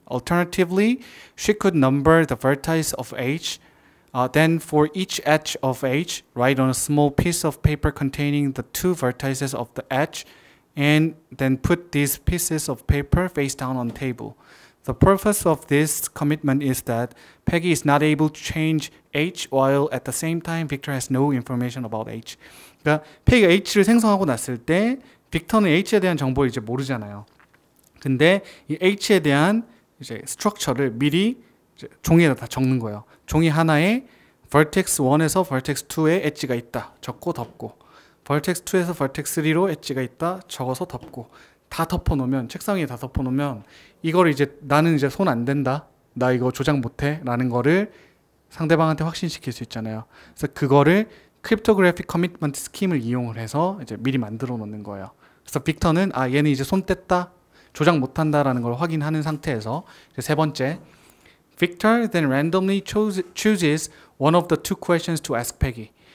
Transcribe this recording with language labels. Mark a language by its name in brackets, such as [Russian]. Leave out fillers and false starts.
[English] Alternatively, she could number the vertices of H, then for each edge of H, write on a small piece of paper containing the two vertices of the edge, and then put these pieces of paper face down on the table. The purpose of this commitment is that Peggy is not able to change H while at the same time Victor has no information about H. [Korean] 그러니까 Peggy가 H를 생성하고 났을 때 빅터는 H에 대한 정보를 이제 모르잖아요. 근데 이 H에 대한 이제 스트럭처를 미리 이제 종이에다 다 적는 거예요. 종이 하나에 vertex 1에서 vertex 2에 엣지가 있다. 적고 덮고. vertex 2에서 vertex 3로 엣지가 있다. 적어서 덮고. 다 덮어 놓으면 책상 위에 다 덮어 놓으면 이걸 이제 나는 이제 손 안 댄다. 나 이거 조작 못 해라는 거를 상대방한테 확신시킬 수 있잖아요. 그래서 그거를 크립토그래픽 커미트먼트 스킴을 이용을 해서 이제 미리 만들어 놓는 거예요. 그래서 빅터는 얘는 이제 손 뗐다. 조작 못 한다라는 걸 확인하는 상태에서 이제 세 번째. [English] Victor then randomly chooses one of the two questions to ask Peggy.